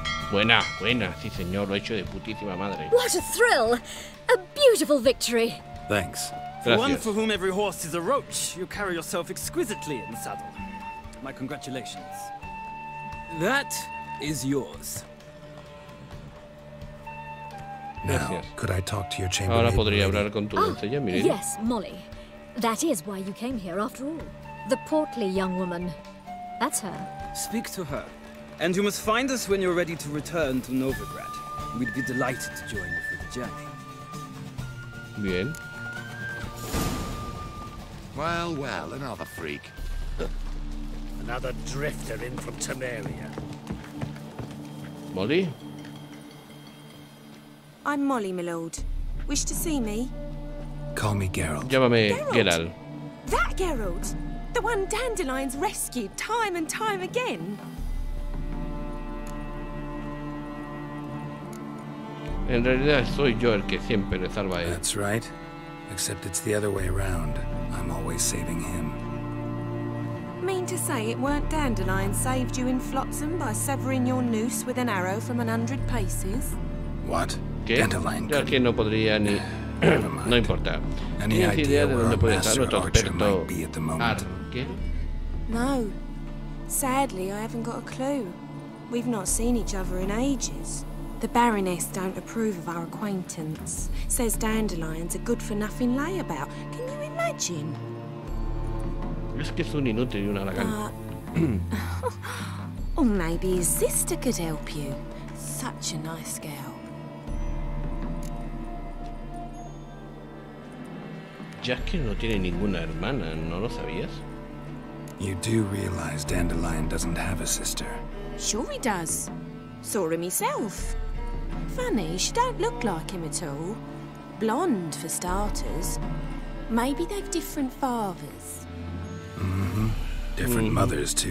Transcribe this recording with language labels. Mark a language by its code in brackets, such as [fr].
[es] Buena, buena, sí señor, lo he hecho de putísima madre. [en] What a thrill! A beautiful victory. Thanks. For one for whom every horse is a roach, you carry yourself exquisitely in the saddle. My congratulations. That is yours. Now, could I talk to your chamber? [es] Ahora podría hablar con tu doncella, mire. [en] Yes, Molly. That is why you came here after all. The portly young woman. That's her. Speak to her. And you must find us when you're ready to return to Novigrad. We'd be delighted to join you for the journey. [es] Bien. [en] Well, well, another freak. Another drifter in from Temeria. Molly? I'm Molly, my lord. Wish to see me? Call me Geralt. [es] Llámame Geralt. [en] That Geralt? The one Dandelion's rescued time and time again? [es] En realidad soy yo el que siempre le salva a él. [en] That's right. Except it's the other way around. I'm always saving him. Mean to say it weren't Dandelion saved you in Flotsam by severing your noose with an arrow from 100 paces? What? [es] ¿Qué? [en] Dandelion. [es] Ya que no podría ni no importa. ¿Tienes idea, de dónde puede estar nuestro experto? [en] No. Sadly, I haven't got a clue. We've not seen each other in ages. The Baroness don't approve of our acquaintance. Says Dandelion's a good-for-nothing layabout. Can you imagine? [es] Es que es un inútil y un haragán. [en] Or maybe his sister could help you. Such a nice girl. [es] Jaskier no tiene ninguna hermana, ¿no lo sabías? [en] You do realize Dandelion doesn't have a sister. Sure he does. Saw him himself. Funny, she don't look like him at all. Blonde, for starters. Maybe they've different fathers. Mm-hmm. Different mothers, too.